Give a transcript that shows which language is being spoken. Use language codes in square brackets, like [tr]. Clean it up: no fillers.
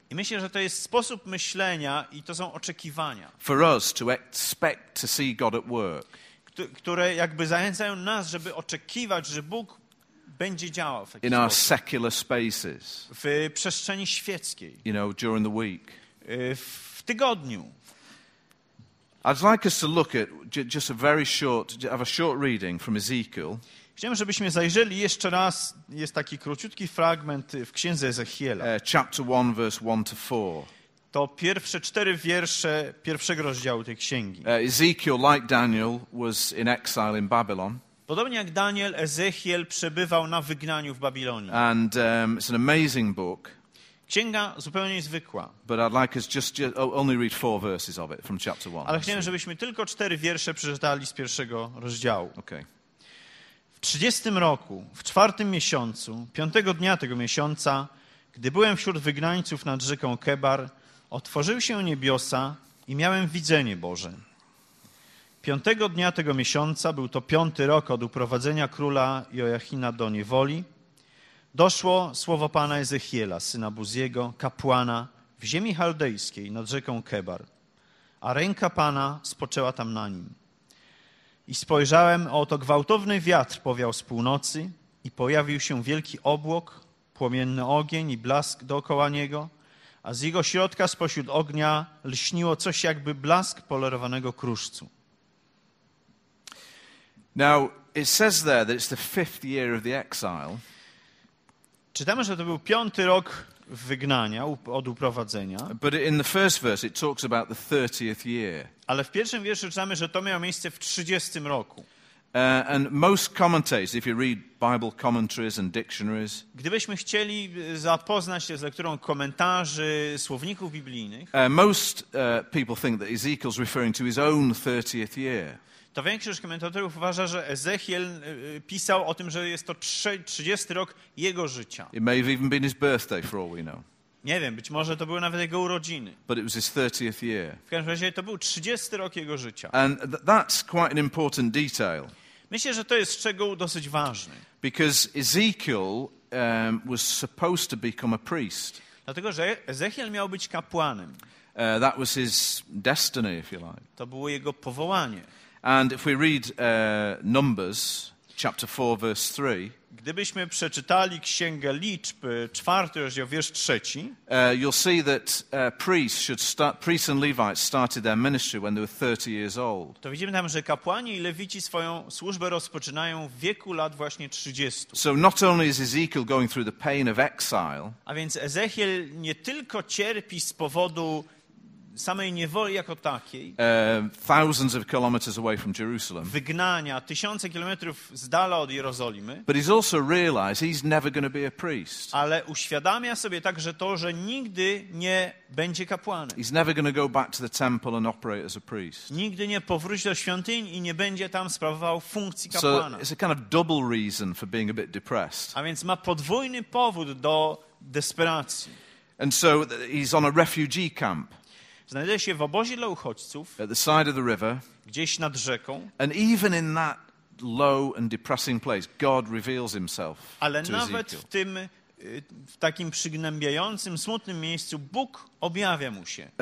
[pl] I myślę, że to jest sposób myślenia i to są oczekiwania. [en] For us to expect to see God at work. [pl] Które jakby zachęcają nas, żeby oczekiwać, że Bóg będzie działał w taki [en] sposób. In our secular spaces. [pl] W przestrzeni świeckiej. [en] You know, during the week. [pl] W tygodniu. [en] I'd like us to look at just a very short, have a short reading from Ezekiel. [pl] Chciałem, żebyśmy zajrzeli jeszcze raz, jest taki króciutki fragment w księdze Ezechiela. [en] Chapter 1, verse 1 to 4. [pl] To pierwsze cztery wiersze pierwszego rozdziału tej księgi. [en] Ezekiel, like Daniel, was in exile in Babylon. [pl] Podobnie jak Daniel, Ezechiel przebywał na wygnaniu w Babilonii. [en] And it's an amazing book. [pl] Księga zupełnie niezwykła. [en] But I'd like us just only read four verses of it from chapter 1. [pl] Ale chciałem, żebyśmy tylko cztery wiersze przeczytali z pierwszego rozdziału. [en] Okay. [pl] W 30 roku, w czwartym miesiącu, piątego dnia tego miesiąca, gdy byłem wśród wygnańców nad rzeką Kebar, otworzył się niebiosa i miałem widzenie Boże. Piątego dnia tego miesiąca był to piąty rok od uprowadzenia króla Jojachina do niewoli. Doszło słowo Pana Ezechiela, syna Buziego, kapłana w ziemi chaldejskiej nad rzeką Kebar, a ręka Pana spoczęła tam na nim. I spojrzałem, oto gwałtowny wiatr powiał z północy i pojawił się wielki obłok, płomienny ogień i blask dookoła niego, a z jego środka spośród ognia lśniło coś jakby blask polerowanego kruszcu. [en] Now, it says there that it's the fifth year of the exile. [pl] Czytamy, że to był piąty rok wygnania, od uprowadzenia. [en] But in the first verse it talks about the 30th year. [pl] Ale w pierwszym wierszu czytamy, że to miało miejsce w 30 roku. [en] And most commentators, if you read Bible commentaries and dictionaries, [pl] gdybyśmy chcieli zapoznać się z lekturą komentarzy słowników biblijnych, [en] most people think that Ezekiel's referring to his own 30th year. [pl] To większość komentatorów uważa, że Ezechiel pisał o tym, że jest to 30 rok jego życia. [en] It may have even been his birthday, for all we know. [pl] Nie wiem, być może to były nawet jego urodziny. [en] But it was his 30th year. [pl] W każdym razie to był 30 rok jego życia. [en] And that's quite an important detail. [pl] Myślę, że to jest szczegół dosyć ważny. [en] Because Ezekiel was supposed to become a priest. [pl] Dlatego, że Ezechiel miał być kapłanem. [en] That was his destiny, if you like. [pl] To było jego powołanie. [en] And if we read Numbers chapter 4 verse 3, [pl] gdybyśmy przeczytali Księgę Liczb, czwarty rozdział, wiersz trzeci, [en] you'll see that priests and Levites started their ministry when they were 30 years old. [pl] To widzimy tam, że kapłani i lewici swoją służbę rozpoczynają w wieku lat właśnie 30. [en] So not only is Ezekiel going through the pain of exile, [pl] a więc Ezechiel nie tylko cierpi z powodu samej niewoli jako takiej, [en] thousands of kilometers away from Jerusalem. [pl] Wygnania, tysiące kilometrów z dala od Jerozolimy. [en] But he's also realized he's never going to be a priest. [pl] Ale uświadamia sobie także to, że nigdy nie będzie kapłanem. [en] He's never going to go back to the temple and operate as a priest. [pl] Nigdy nie powróci do świątyń i nie będzie tam sprawował funkcji kapłana. [en] So it's a kind of double reason for being a bit depressed. [pl] A więc ma podwójny powód do desperacji. [en] And so he's on a refugee camp. [pl] Znajduje się w obozie dla uchodźców, [en] at the side of the river, [pl] gdzieś nad rzeką. [en] And even in that low and depressing place, God reveals himself. [pl] Ale to nawet Ezekiel. W takim przygnębiającym, smutnym miejscu Bóg objawia mu się.